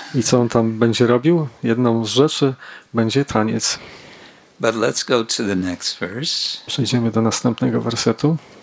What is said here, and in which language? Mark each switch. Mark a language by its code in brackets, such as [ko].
[pl] I co on tam będzie robił? Jedną z rzeczy będzie taniec. [en] But let's go to the next verse. [pl] Przejdziemy do następnego wersetu.